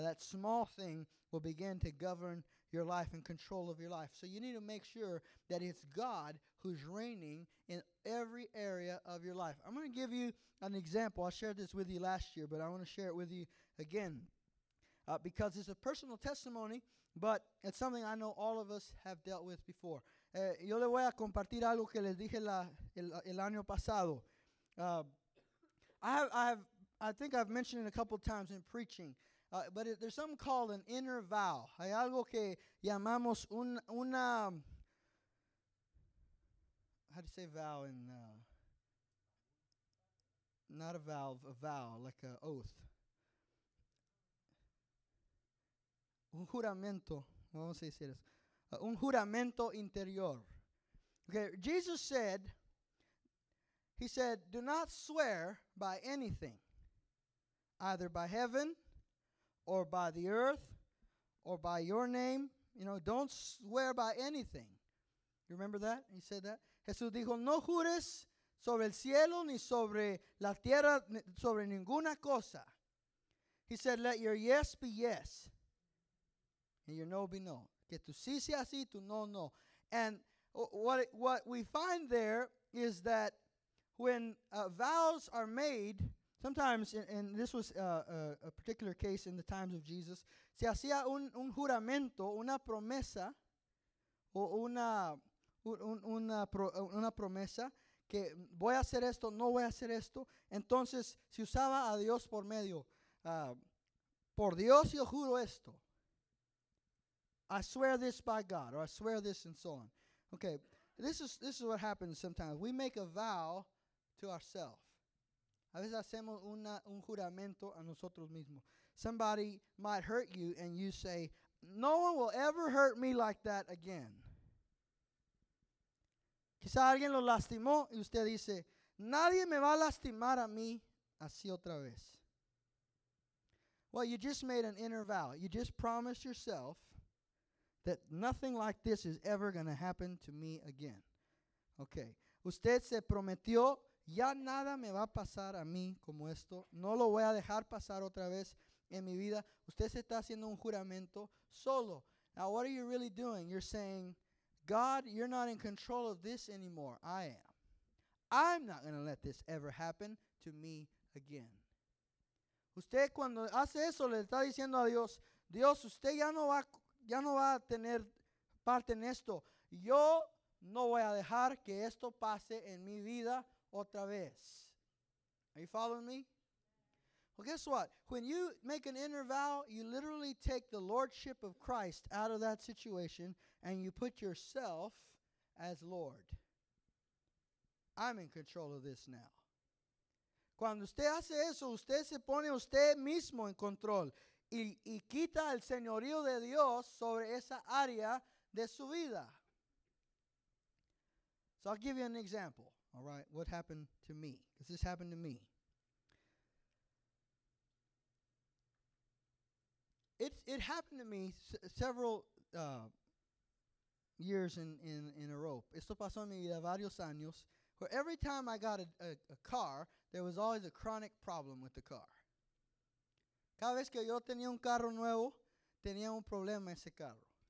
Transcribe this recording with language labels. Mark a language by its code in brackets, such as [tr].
[en] That small thing will begin to govern your life and control of your life. So you need to make sure that it's God who's reigning in every area of your life. I'm going to give you an example. I shared this with you last year, but I want to share it with you again. Because it's a personal testimony, but it's something I know all of us have dealt with before. [es] Yo le voy a compartir algo que les dije el año pasado. [en] I think I've mentioned it a couple times in preaching. There's something called an inner vow. [es] Hay algo que llamamos una, [en] how do you say vow in, not a vow, a vow, like an oath. [es] Un juramento, vamos a decir eso. Un juramento interior. [en] Okay, Jesus said, do not swear by anything, either by heaven, or by the earth, or by your name. You know, don't swear by anything. You remember that? He said that. [es] Jesús dijo, no jures sobre el cielo ni sobre la tierra, sobre ninguna cosa. [en] He said, let your yes be yes, and your no be no. [es] Que tu sí sea sí, tu no, no. [en] And what we find there is that when vows are made, sometimes, and this was a particular case in the times of Jesus, [es] se hacía un juramento, una promesa, o una promesa, que voy a hacer esto, no voy a hacer esto. Entonces, se usaba a Dios por medio, por Dios yo juro esto. [en] I swear this by God, or I swear this, and so on. Okay, this is what happens sometimes. We make a vow to ourselves. [es] A veces hacemos un juramento a nosotros mismos. [en] Somebody might hurt you and you say, no one will ever hurt me like that again. [es] Quizá alguien lo lastimó y usted dice, nadie me va a lastimar a mí así otra vez. [en] Well, you just made an inner vow. You just promised yourself that nothing like this is ever going to happen to me again. Okay. [es] Usted se prometió, ya nada me va a pasar a mí como esto. No lo voy a dejar pasar otra vez en mi vida. Usted se está haciendo un juramento solo. [en] Now, what are you really doing? You're saying, God, you're not in control of this anymore. I am. I'm not going to let this ever happen to me again. [es] Usted cuando hace eso le está diciendo a Dios, Dios, usted ya no va a tener parte en esto. Yo no voy a dejar que esto pase en mi vida otra vez. [en] Are you following me? Well, guess what? When you make an inner vow, you literally take the lordship of Christ out of that situation and you put yourself as Lord. I'm in control of this now. [es] Cuando usted hace eso, usted se pone usted mismo en control y quita el señorío de Dios sobre esa área de su vida. [en] So I'll give you an example. All right, what happened to me? Because this happened to me. It happened to me several years in a row. [es] Esto pasó en mi vida varios años. [en] Where every time I got a car, there was always a chronic problem with the car. [es] Cada vez que yo tenía un carro nuevo, tenía un problema ese carro.